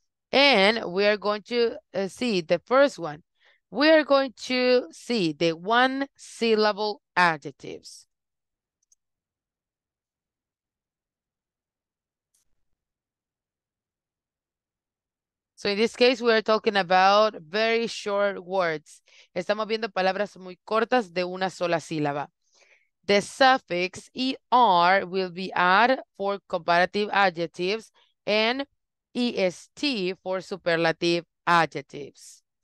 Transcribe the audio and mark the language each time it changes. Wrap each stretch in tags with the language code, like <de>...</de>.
<en>And we are going to see the first one. We are going to see the one syllable adjectives. So in this case, we are talking about very short words.</en> <es>Estamos viendo palabras muy cortas de una sola sílaba.</es> <en>The suffix ER will be added for comparative adjectives and EST for superlative adjectives.</en>